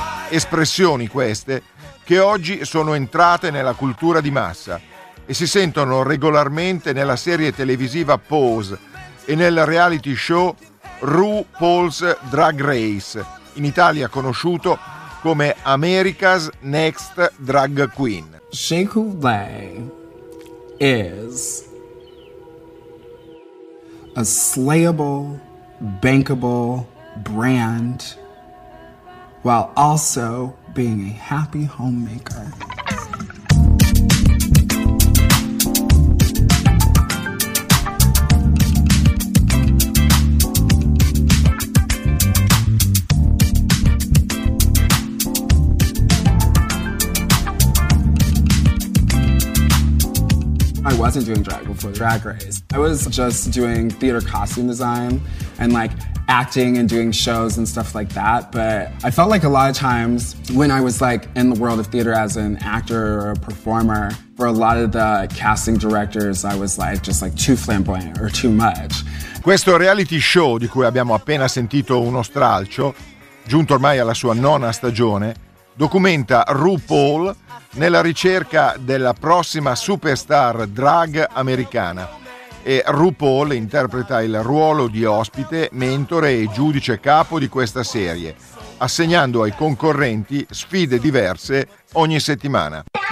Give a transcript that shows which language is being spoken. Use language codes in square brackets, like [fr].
[it] Espressioni queste che oggi sono entrate nella cultura di massa e si sentono regolarmente nella serie televisiva Pose e nel reality show RuPaul's Drag Race, in Italia conosciuto come America's Next Drag Queen. [en] Shaku Lang is a slayable, bankable brand, while also being a happy homemaker. I wasn't doing drag before Drag Race. I was just doing theater costume design and like acting and doing shows and stuff like that. But I felt like a lot of times when I was like in the world of theater as an actor or a performer, for a lot of the casting directors, I was like just like too flamboyant or too much. [it] Questo reality show di cui abbiamo appena sentito uno stralcio, giunto ormai alla sua nona stagione, documenta RuPaul nella ricerca della prossima superstar drag americana. E RuPaul interpreta il ruolo di ospite, mentore e giudice capo di questa serie, assegnando ai concorrenti sfide diverse ogni settimana.